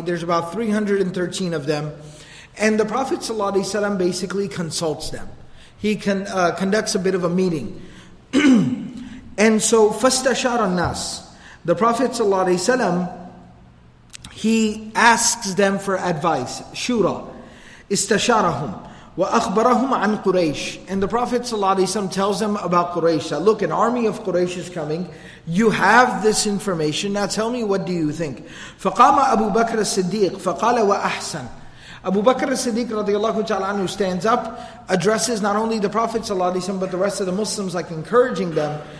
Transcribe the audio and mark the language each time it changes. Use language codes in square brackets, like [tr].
[en] There's about 313 of them. And the Prophet ﷺ basically consults them. He conducts a bit of a meeting. And so, [ar] فَاسْتَشَارَ النَّاسِ. [en] The Prophet ﷺ, he asks them for advice. [ar] Shura. استشارهم وأخبرهم عن قريش. [en] And the Prophet ﷺ tells them about Quraysh. That, look, an army of Quraysh is coming. You have this information. Now tell me, what do you think? [ar] فَقَامَ أَبُو بَكْرَ الصِّدِّيقِ فَقَالَ وَأَحْسَنَ. [en] Abu Bakr as-Siddiq radiallahu ta'ala anhu stands up, addresses not only the Prophet ﷺ but the rest of the Muslims, like encouraging them.